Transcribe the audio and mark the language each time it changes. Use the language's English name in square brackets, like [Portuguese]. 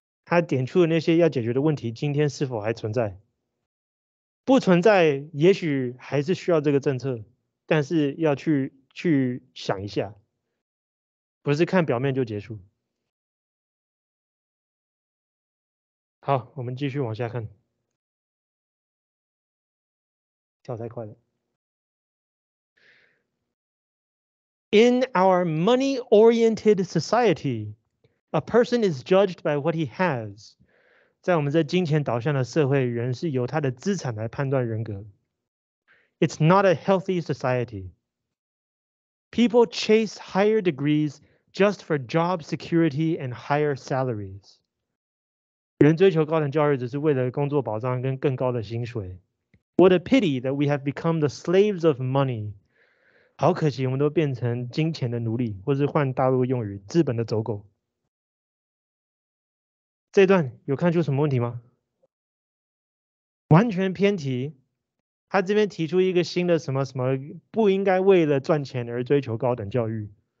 [Chinese] 他点出的那些要解决的问题今天是否还存在。不存在也许还是需要这个政策，但是要去想一下，不是看表面就结束。好，我们继续往下看，跳太快了。 [English] In our money-oriented society, a person is judged by what he has. [Chinese] 在我们这金钱导向的社会，人是由他的资产来判断人格。 [English] It's not a healthy society. People chase higher degrees just for job security and higher salaries. [Chinese] 人追求高等教育只是为了工作保障跟更高的薪水。 [English] What a pity that we have become the slaves of money. [Chinese] 好可惜我们都变成金钱的奴隶，或是换大陆用语，资本的走狗。这段有看出什么问题吗？完全偏题。他这边提出一个新的什么什么，不应该为了赚钱而追求高等教育。